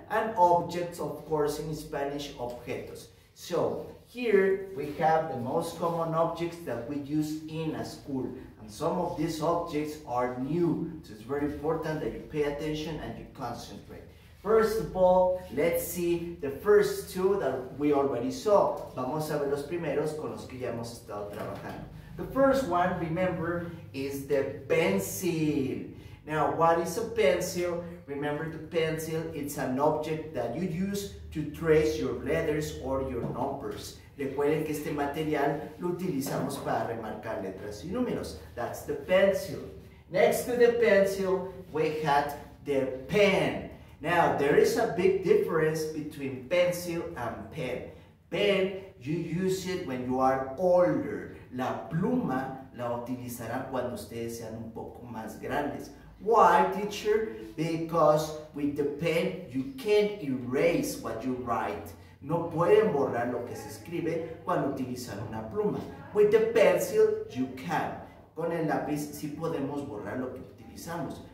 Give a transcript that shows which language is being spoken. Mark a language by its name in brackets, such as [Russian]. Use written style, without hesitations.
[English] And objects, of course, in Spanish, objetos. So, here we have the most common objects that we use in a school. Some of these objects are new, so it's very important that you pay attention and you concentrate. First of all, let's see the first two that we already saw. [Spanish] Vamos a ver los primeros con los que ya hemos estado trabajando. [English] The first one, remember, is the pencil. Now, what is a pencil? Remember, the pencil, it's an object that you use to trace your letters or your numbers. [Spanish] Recuerden que este material lo utilizamos para remarcar letras y números. [English] That's the pencil. Next to the pencil, we had the pen. Now, there is a big difference between pencil and pen. Pen, you use it when you are older. [Spanish] La pluma la utilizarán cuando ustedes sean un poco más grandes. [English] Why, teacher? Because with the pen, you can't erase what you write. [Spanish] No pueden borrar lo que se escribe cuando utilizan una pluma. [English] With the pencil, you can. [Spanish] Con el lápiz sí podemos borrar lo que utilizamos.